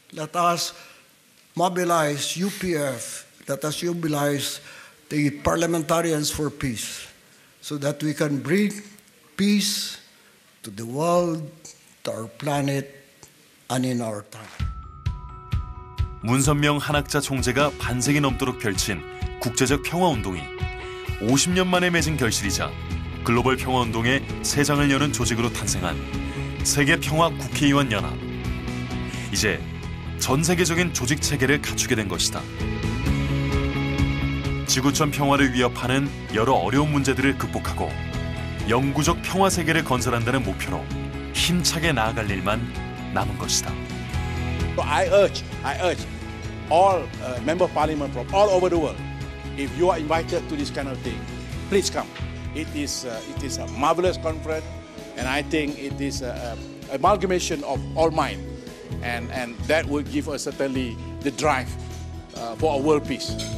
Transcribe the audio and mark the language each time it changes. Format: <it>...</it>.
<en>Let us mobilize UPF. Let us mobilize the parliamentarians for peace, so that we can bring peace to the world, to our planet, and in our time.</en> <ko>문선명 한학자 총재가 반세기 넘도록 펼친 국제적 평화운동이 50년 만에 맺은 결실이자 글로벌 평화운동의 세장을 여는 조직으로 탄생한 세계평화국회의원연합. 이제 전 세계적인 조직 체계를 갖추게 된 것이다. 지구촌 평화를 위협하는 여러 어려운 문제들을 극복하고 영구적 평화 세계를 건설한다는 목표로 힘차게 나아갈 일만 남은 것이다.</ko> <en>So I urge all member of parliament from all over the world, if you are invited to this kind of thing, please come. It is a marvelous conference, and I think it is a amalgamation of all mind, and that will give us certainly the drive for a world peace.</en>